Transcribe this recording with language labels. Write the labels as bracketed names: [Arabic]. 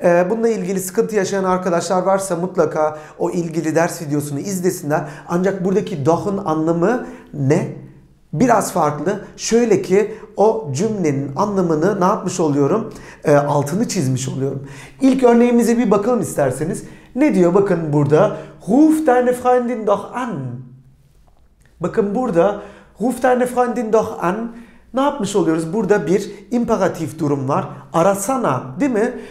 [Turkish] Bununla ilgili sıkıntı yaşayan arkadaşlar varsa mutlaka o ilgili ders videosunu izlesinler. Ancak buradaki doch'un anlamı ne? Biraz farklı. Şöyle ki, o cümlenin anlamını ne yapmış oluyorum? Altını çizmiş oluyorum. İlk örneğimize bir bakalım isterseniz. Ne diyor? Bakın burada. [German] Ruf deine Freundin doch an. [Turkish] Bakın burada [German] ruf deine Freundin doch an. [Turkish] Ne yapmış oluyoruz? Burada bir imperatif durum var. Arasana, değil mi?